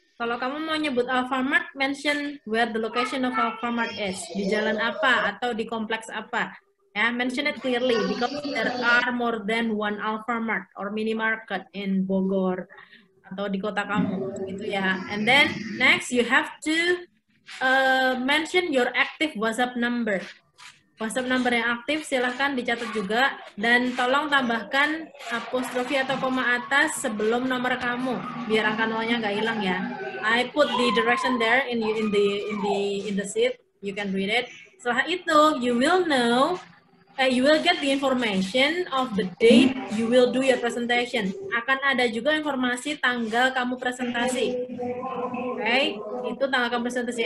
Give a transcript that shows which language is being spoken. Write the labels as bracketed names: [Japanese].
[Indonesian] Kalau kamu mau nyebut Alfamart, [English] mention where the location of Alfamart is, [Indonesian] di jalan apa atau di kompleks apa. [English] Yeah, mention it clearly because there are more than one Alfamart or mini market in Bogor [Indonesian] atau di kota kamu gitu ya. [English] And then next you have to mention your active WhatsApp number. [Indonesian] WhatsApp number yang aktif silahkan dicatat juga dan tolong tambahkan apostrofi atau koma atas sebelum nomor kamu biar akan nolnya nggak hilang ya. [English] I put the direction there in the sheet. You can read it. [Indonesian] Setelah itu [English] you will know. You will get the information of the date you will do your presentation. [Indonesian] Akan ada juga informasi tanggal kamu presentasi. Okay? Itu tanggal kamu presentasi.